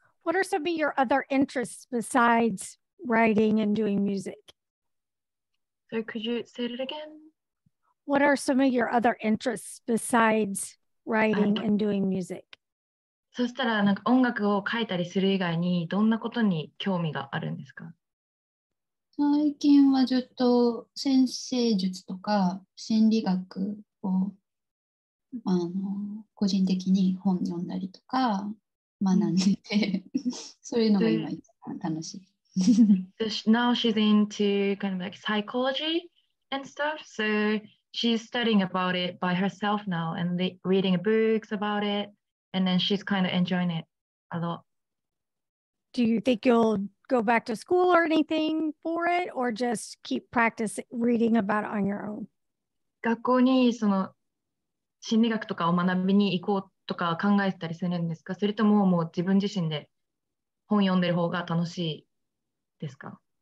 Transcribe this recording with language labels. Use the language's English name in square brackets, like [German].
[English] What are some of your other interests besides writing and doing music? So could you say it again? What are some of your other interests besides writing and doing music? [Japanese] そしたらなんか音楽を書いたりする以外にどんなことに興味があるんですか？最近はちょっと占星術とか心理学を個人的に本読んだりとか学んでて そういうのが今一番楽しい。 [English] Now she's into kind of like psychology and stuff. So she's studying about it by herself now and reading books about it. And then she's kind of enjoying it a lot. Do you think you'll go back to school or anything for it, or just keep practicing reading about it on your own? [Japanese] 学校にその心理学とかを学びに行こうとか考えたりするんですか？それとももう自分自身で本読んでる方が楽しいですか？